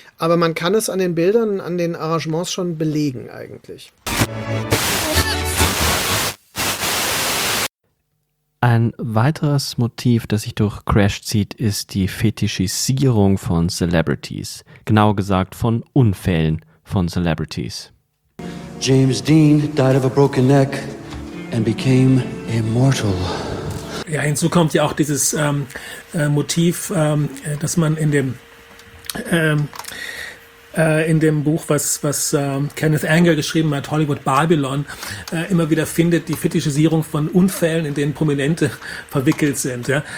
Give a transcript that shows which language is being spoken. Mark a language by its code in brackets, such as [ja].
[de] Aber man kann es an den Bildern, an den Arrangements schon belegen eigentlich. Ein weiteres Motiv, das sich durch Crash zieht, ist die Fetischisierung von Celebrities. Genauer gesagt von Unfällen von Celebrities. [en] James Dean died of a broken neck and became immortal. [de] Ja, hinzu kommt ja auch dieses Motiv, dass man in dem Buch, was Kenneth Anger geschrieben hat, Hollywood Babylon, immer wieder findet, die Fetischisierung von Unfällen, in denen Prominente verwickelt sind. Ja?